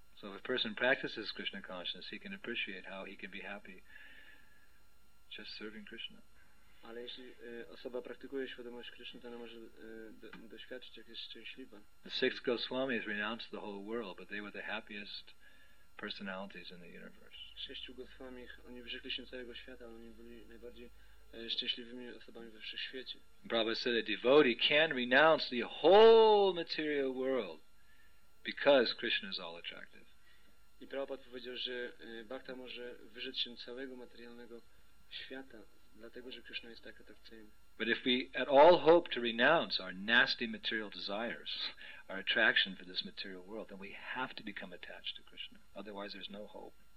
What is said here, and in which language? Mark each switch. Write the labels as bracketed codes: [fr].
[en] So if a person practices Krishna consciousness, he can appreciate how he can be happy just serving Krishna. [pl] Ale jeśli osoba praktykuje świadomość Krishna, to ona może doświadczyć, jak jest szczęśliwa. [en] The six Goswamis renounced the whole world, but they were the happiest personalities in the universe. [pl] Sześciu Goswamich, oni wyrzekli się całego świata, ale oni byli najbardziej szczęśliwymi osobami we wszechświecie. [en] Prabhupada said a devotee can renounce the whole material world because Krishna is all attractive. [pl] I Prabhupada powiedział, że bhakta może wyrzec się całego materialnego świata, dlatego że Krishna jest tak atrakcyjny. [en] But if we at all hope to renounce our nasty material desires, our attraction for this material world, then we have to become attached to Krishna. Otherwise, there's no hope.